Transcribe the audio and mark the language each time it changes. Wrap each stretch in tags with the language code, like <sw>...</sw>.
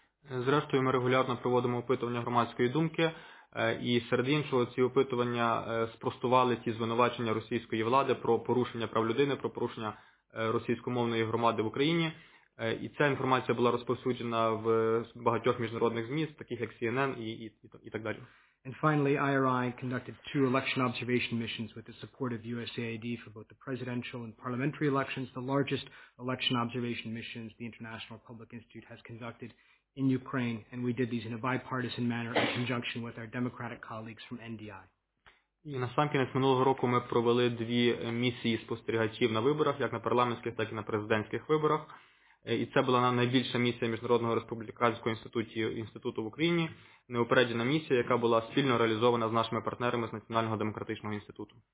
<uk>Зрештою, ми регулярно проводимо опитування громадської думки, і серед іншого ці опитування спростували ті звинувачення російської влади про порушення прав людини, про порушення російськомовної громади в Україні. І ця інформація була розповсюджена в багатьох міжнародних ЗМІ, таких як CNN і так далі.</uk> <en>And finally, IRI conducted two election observation missions with the support of USAID for both the presidential and parliamentary elections, the largest election observation missions the International Public Institute has conducted in Ukraine, and we did these in a bipartisan manner in conjunction with our democratic colleagues from NDI.</en> <uk>І насамкінець минулого року ми провели дві місії спостерігачів на виборах, як на парламентських, так і на президентських виборах. І це була найбільша місія Міжнародного республіканського інституту в Україні, неупереджена місія, яка була спільно реалізована з нашими партнерами з Національного демократичного інституту.</uk>